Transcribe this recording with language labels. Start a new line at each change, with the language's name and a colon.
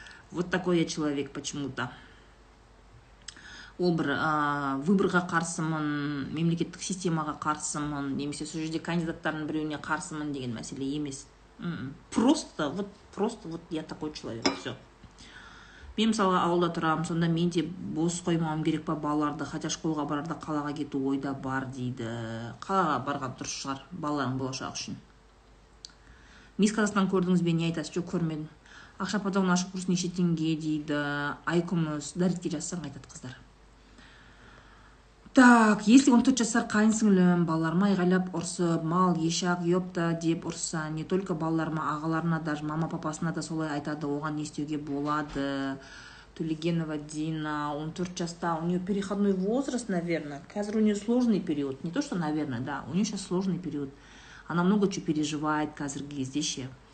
Russian: Вот такой я человек почему-то.
Kazakh: Ол бір выборға қарсымын, мемлекеттік системаға қарсымын, немесе сол жерде кандидаттардың біреуіне қарсымын деген мәселе емес.
Russian: Просто вот я такой человек, все.
Kazakh: Мен мысалға ауылда тұрам, сонда мен де бос қоймауым керек па балаларды, хотя школға барарда қалаға кету ойда бар дейді. Қалаға барған дұрыс шығар балаларың болашақ үшін. Мисс Қазақстан көрдіңіз бе, не айтасыз? Жоқ, көрмедім. Ақша потоғын ашу курсы неше теңге дейді. Айкумыз, дәретке жазсаң айтады қыздар. Так, если 14 жасар қайын сіңілім балаларыма айғайлап ұрсып, мал, ешақ, епта деп ұрсса,
Russian: не только
Kazakh: балаларыма, ағаларына да, мама папасына да солай айтады, оған не істеуге болады? Төлегенова Дина, 14 жаста,
Russian: у нее переходной возраст, наверное, қазір у нее сложный период, не то что, наверное, да, у нее сейчас сложный период, она много чего переживает
Kazakh: қазіргі кезде ше.